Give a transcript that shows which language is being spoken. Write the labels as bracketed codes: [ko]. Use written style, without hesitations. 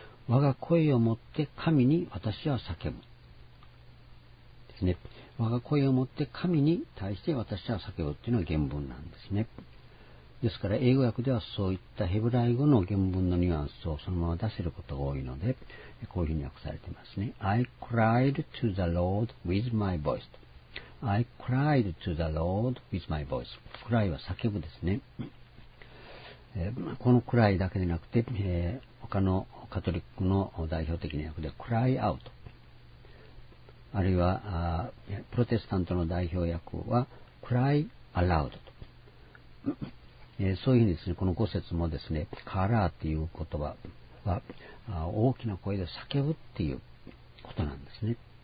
[ja] 我が声を持って神に私は叫ぶ。我が声を持って神に対して私は叫ぶというのが原文なんですね。ですから英語訳ではそういったヘブライ語の原文のニュアンスをそのまま出せることが多いので、こういうふうに訳されていますね。 [en] I cried to the Lord with my voice. I cried to the Lord with my voice. [ja] cry は叫ぶですね。この cry だけでなくて、他のカトリックの代表的な訳で cry out、あるいはプロテスタントの代表訳は cry aloud と、そういうふうにですね、この五節もですね、カラーという言葉は大きな声で叫ぶっていうことなんですね。